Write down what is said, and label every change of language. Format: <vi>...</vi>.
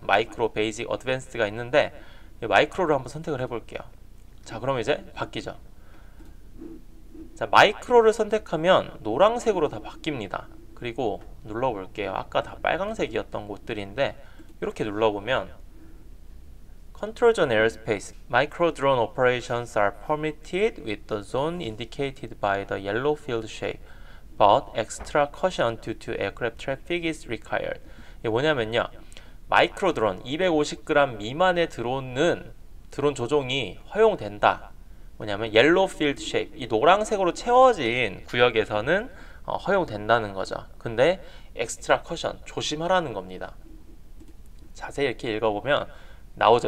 <ko>마이크로, 베이직, 어드밴스드가 있는데 마이크로를 한번 선택을 해볼게요. 자, 그러면 이제 바뀌죠. 자, 마이크로를 선택하면 노란색으로 다 바뀝니다. 그리고 눌러볼게요. 아까 다 빨강색이었던 곳들인데, 이렇게 눌러보면,</ko> <en>Control Zone Airspace. Micro drone operations are permitted with the zone indicated by the yellow field shape. But extra caution due to aircraft traffic is required.</en> <ko>이게 뭐냐면요. 마이크로 드론, 250g 미만의 드론 조종이 허용된다. 뭐냐면 옐로우 필드 쉐입, 이 노란색으로 채워진 구역에서는 허용된다는 거죠. 근데 엑스트라 커션, 조심하라는 겁니다. 자세히 이렇게 읽어보면 나오죠.</ko>